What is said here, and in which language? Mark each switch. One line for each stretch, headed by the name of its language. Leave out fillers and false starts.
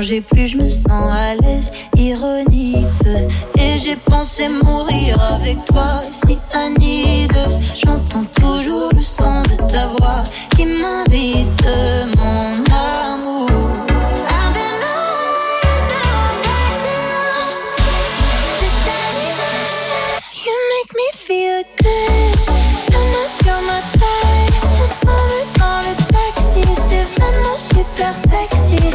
French: Plus je me sens à l'aise, ironique. Et j'ai pensé mourir avec toi, cyanide. J'entends toujours le son de ta voix qui m'invite, mon amour.
English: I've been away, now I'm back to you.
French: C'est arrivé.
English: You make me feel good.
French: La main sur ma taille, on s'en va dans le taxi. C'est vraiment super sexy.